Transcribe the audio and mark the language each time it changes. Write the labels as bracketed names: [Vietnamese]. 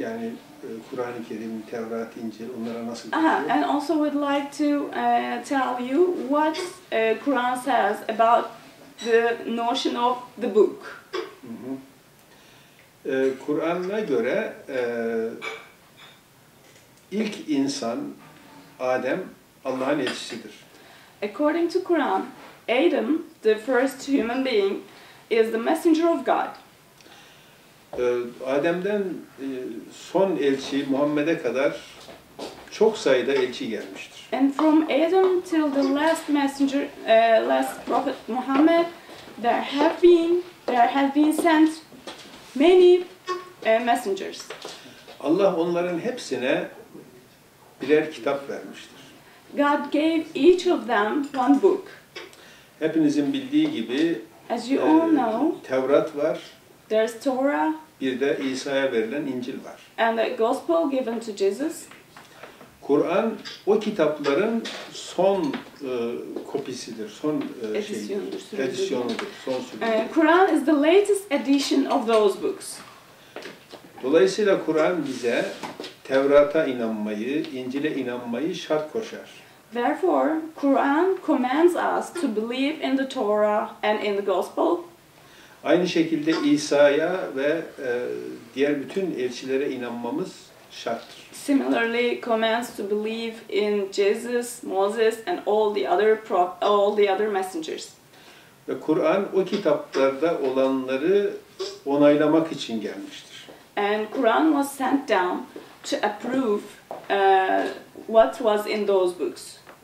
[Turkish] Yani Kur'an-ı Kerim, Tevrat, İncil, onlara nasıl geçiyor? [English] And also would like to tell you what Kur'an says about the notion of the book. [Turkish] Kur'an'a göre ilk insan Adem Allah'ın elçisidir. [English] According to Quran, Adam, the first human being, is the messenger of God. [Turkish] Adem'den son elçi Muhammed'e kadar çok sayıda elçi gelmiştir. [English] And from Adam till the last messenger, last prophet Muhammed, there have been sent many messengers. [Turkish] Allah onların hepsine birer kitap vermiştir. [English] God gave each of them one book. [Turkish] Hepinizin bildiği gibi, [English] as you all know, [Turkish] Tevrat var. [English] There's Torah. [Turkish] Bir de İsa'ya verilen İncil var. [English] And the gospel given to Jesus. [Turkish] Kur'an o kitapların son kopisidir, son edisyonudur, son sürümüdür. [English] Kur'an is the latest edition of those books. [Turkish] Dolayısıyla Kur'an bize Tevrat'a inanmayı, İncil'e inanmayı şart koşar. [English] Therefore, Quran commands us to believe in the Torah and in the gospel. [Turkish] Aynı şekilde İsa'ya ve diğer bütün elçilere inanmamız şarttır. [English] Similarly, commands to believe in Jesus, Moses and all the other messengers. [Turkish] Ve Kur'an o kitaplarda olanları onaylamak için gelmiştir. [English] And Quran was sent down to approve what was in those books.